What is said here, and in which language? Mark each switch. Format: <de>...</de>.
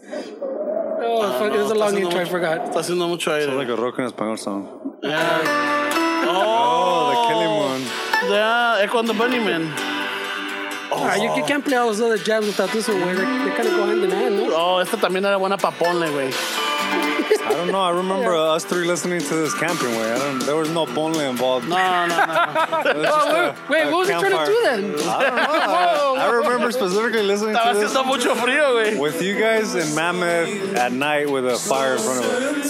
<en>Oh, fuck, it's a long intro, I forgot.</en> <es>Está haciendo mucho aire.</es> <en>Sounds like a rock en español song. Yeah. Oh, the killing one.</en> <es>Yeah, es cuando Bunny Man. Oh.</es> <en>Right, you can't play all those other jams without this one, where they kind of go hand in hand, no?</en> <es>Oh, esta también era buena para ponle, güey.</es> <en>I don't know. I remember us three listening to this camping, way. There was no ponle involved.</en> <es>No.</es> <en>Wait, what was he trying to do then? I don't know. I remember specifically listening to this.</en> <es>Estaba haciendo mucho frío, güey.</es> <en>With you guys in Mammoth at night with a fire in front of us.</en>